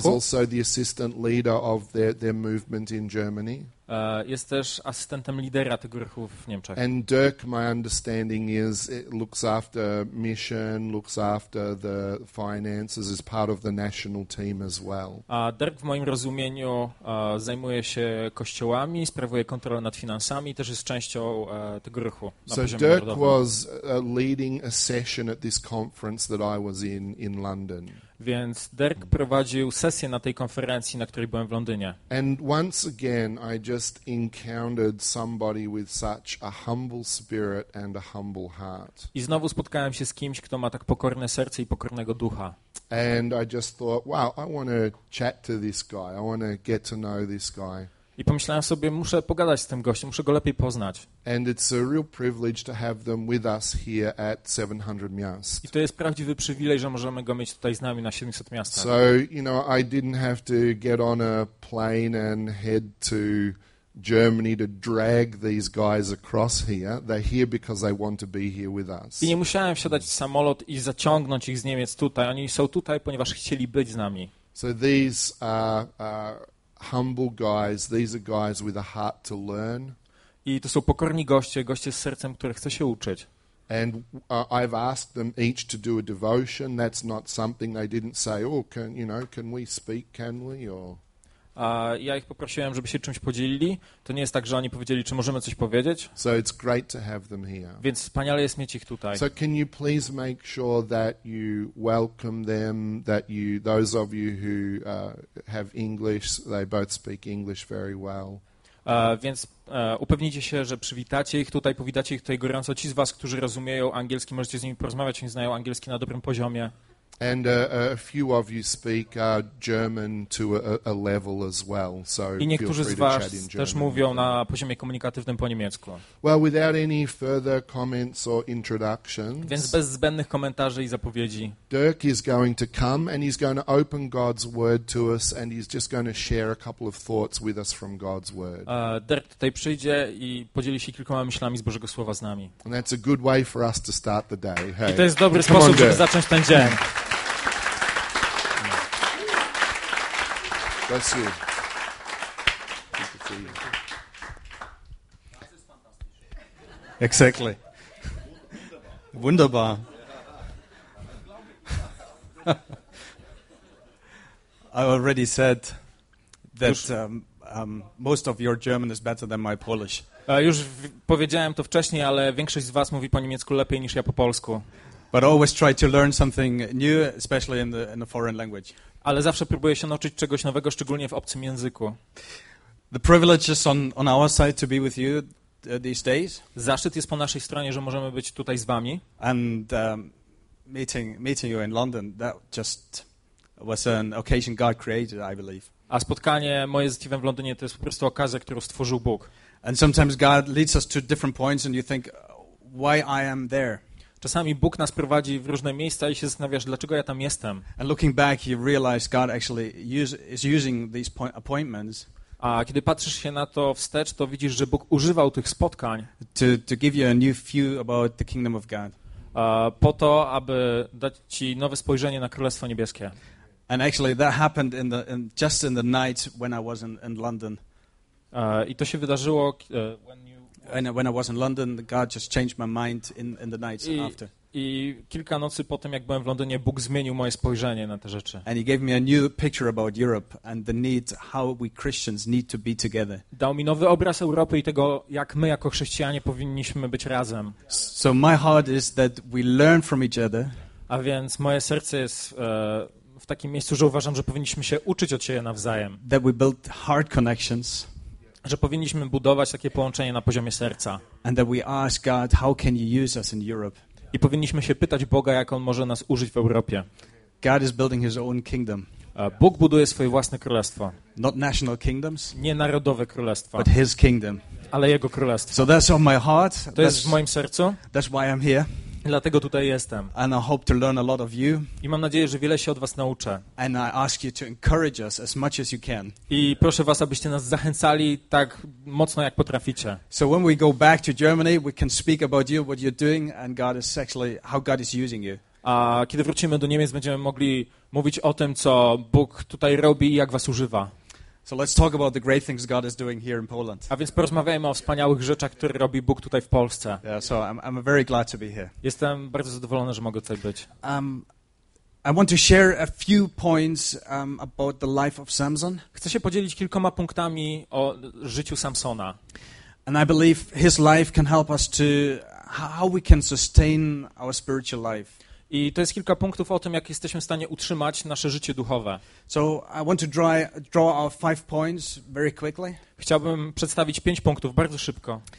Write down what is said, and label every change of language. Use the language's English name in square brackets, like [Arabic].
[English] He's also the assistant leader of their movement in Germany. [Polish] Jest też asystentem lidera tego ruchu w Niemczech. [English] And Dirk, my understanding is, it looks after mission, looks after the finances, is part of the national team as well. [Polish] A Dirk w moim rozumieniu zajmuje się kościołami, sprawuje kontrolę nad finansami, też jest częścią tego ruchu na poziomie narodowym. [English] So Dirk was leading a session at this conference that I was in London. [Polish] Więc Dirk prowadził sesję na tej konferencji, na której byłem w Londynie. [English] And once again, I just encountered somebody with such a humble spirit and a humble heart. [Polish] I znowu spotkałem się z kimś, kto ma tak pokorne serce i pokornego ducha. [English] And I just thought, wow, I want to chat to this guy. I want to get to know this guy. [Polish] I pomyślałem sobie, muszę pogadać z tym gościem, muszę go lepiej poznać. [English] And it's a real privilege to have them with us here at 700 Miast. [Polish] I to jest prawdziwy przywilej, że możemy go mieć tutaj z nami na 700 Miastach. [English] So, you know, I didn't have to get on a plane and head to Germany to drag these guys across here. They're here because they want to be here with us. [Polish] I nie musiałem wsiadać w samolot i zaciągnąć ich z Niemiec tutaj. Oni są tutaj, ponieważ chcieli być z nami. [English] So these are humble guys, these are guys with a heart to learn. [Polish] I to są pokorni goście z sercem, które chce się uczyć. [English] And I've asked them each to do a devotion. That's not something they didn't say, oh, can, you know, can we speak, can we, or... [Polish] Ja ich poprosiłem, żeby się czymś podzielili. To nie jest tak, że oni powiedzieli, czy możemy coś powiedzieć. [English] So it's great to have them here. [Polish] Więc wspaniale jest mieć ich tutaj. [English] So can you please make sure that you welcome them, that you, those of you who have English, they both speak English very well. [Polish] Więc upewnijcie się, że przywitacie ich tutaj, powitacie ich tutaj gorąco. Ci z was, którzy rozumieją angielski, możecie z nimi porozmawiać, oni znają angielski na dobrym poziomie. [English] And a few of you speak German to a level as well, so [Polish] I niektórzy z was też mówią na poziomie komunikatywnym po niemiecku. [English] Well, without any further comments or introductions, [Polish] więc bez zbędnych komentarzy i zapowiedzi, [English] Dirk is going to come and he's going to open God's word to us and he's just going to share a couple of thoughts with us from God's word. [Polish] Dirk tutaj przyjdzie i podzieli się kilkoma myślami z Bożego słowa z nami. [English] And that's a good way for us to start the day. Hey. [Polish] I to jest dobry sposób, żeby zacząć ten dzień. [English] Bless you. Exactly. Wunderbar. I already said that most of your German is better than my Polish. [Polish] Już powiedziałem to wcześniej, ale większość z was mówi po niemiecku lepiej niż ja po polsku. [English] But I always try to learn something new, especially in the foreign language. [Polish] Ale zawsze próbuję się nauczyć czegoś nowego, szczególnie w obcym języku. [English] The privilege is on our side to be with you these days. [Polish] Zaszczyt jest po naszej stronie, że możemy być tutaj z wami. [English] And meeting you in London, that just was an occasion God created, I believe. [Polish] A spotkanie moje z Steve'em w Londynie to jest po prostu okazja, którą stworzył Bóg. [English] And sometimes God leads us to different points and you think, why I am there? [Polish] Czasami Bóg nas prowadzi w różne miejsca i się zastanawiasz, dlaczego ja tam jestem. [English] And looking back, you realize God actually is using these appointments. [Polish] A kiedy patrzysz się na to wstecz, to widzisz, że Bóg używał tych spotkań [English] to give you a new view about the kingdom of God. [Polish] Po to, aby dać ci nowe spojrzenie na Królestwo Niebieskie. [English] And actually that happened in the night when I was in London. [Polish] I to się wydarzyło [English] When I was in London, God just changed my mind in the nights after. [Polish] I kilka nocy po tym, jak byłem w Londynie, Bóg zmienił moje spojrzenie na te rzeczy. [English] And he gave me a new picture about Europe and the need, how we Christians need to be together. [Polish] Dał mi nowy obraz Europy i tego, jak my jako chrześcijanie powinniśmy być razem. [English] So my heart is that we learn from each other. [Polish] A więc moje serce jest w takim miejscu, że uważam, że powinniśmy się uczyć od siebie nawzajem. [English] That we build heart connections. [Polish] Że powinniśmy budować takie połączenie na poziomie serca. [English] And that we ask God, how can you use us in Europe? [Polish] I powinniśmy się pytać Boga, jak on może nas użyć w Europie. [English] God is building his own kingdom. [Polish] Bóg buduje swoje własne królestwo. [English] Not national kingdoms, [Polish] nie narodowe królestwa. [English] But his kingdom. [Polish] Ale jego królestwo. [English] So that's on my heart. [Polish] To jest w moim sercu. [English] That's why I'm here. [Polish] Dlatego tutaj jestem. [English] And I hope to learn a lot of you. [Polish] I mam nadzieję, że wiele się od was nauczę. [English] And I ask you to encourage us as much as you can. [Polish] I proszę was, abyście nas zachęcali tak mocno, jak potraficie. [English] So when we go back to Germany, we can speak about you, what you're doing, and God is actually how God is using you. [Polish] A kiedy wrócimy do Niemiec, będziemy mogli mówić o tym, co Bóg tutaj robi i jak was używa. [English] So let's talk about the great things God is doing here in Poland. [Polish] A więc porozmawiajmy o wspaniałych rzeczach, które robi Bóg tutaj w Polsce. [English] Yeah, so I'm very glad to be here. [Polish] Jestem bardzo zadowolony, że mogę tutaj być. [English] I want to share a few points about the life of Samson. [Polish] Chcę się podzielić kilkoma punktami o życiu Samsona. [English] And I believe his life can help us to how we can sustain our spiritual life. [Polish] I to jest kilka punktów o tym, jak jesteśmy w stanie utrzymać nasze życie duchowe. [English] So I want to draw our five points very quickly. [Polish] Chciałbym przedstawić pięć punktów bardzo szybko.